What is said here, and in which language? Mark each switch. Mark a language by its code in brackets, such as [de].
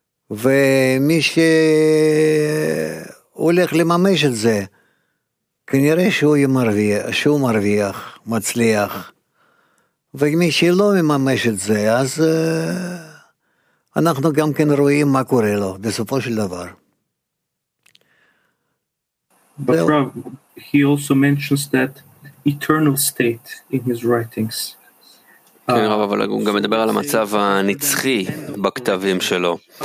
[he] ומי שהולך לממש את זה, כנראה שהוא מרוויח, מצליח. ומי שלא מממש את זה, אז אנחנו גם כן רואים מה קורה לו, בסופו של דבר. [en] But Rav, he also mentions that eternal state in his writings. [he] כן, רב, אבל הוא גם מדבר על המצב הנצחי בכתבים שלו.